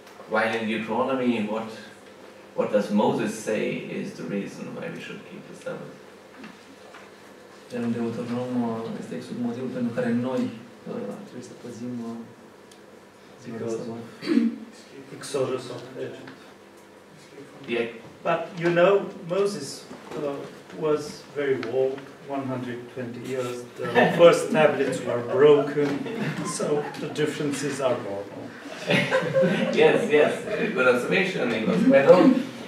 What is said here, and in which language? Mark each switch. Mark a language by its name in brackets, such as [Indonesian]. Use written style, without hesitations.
[English] While in Deuteronomy, what does Moses say is the reason why we should keep the Sabbath? [Romanian] Iar în Deuteronom este Exod motivul pentru care noi trebuie să păzim ziua de Sabbat. [English] Exodus on Egypt. Yeah. But you know, Moses was very old, 120 years. The first tablets were broken, so the differences are normal. yes, good observation, it was quite old.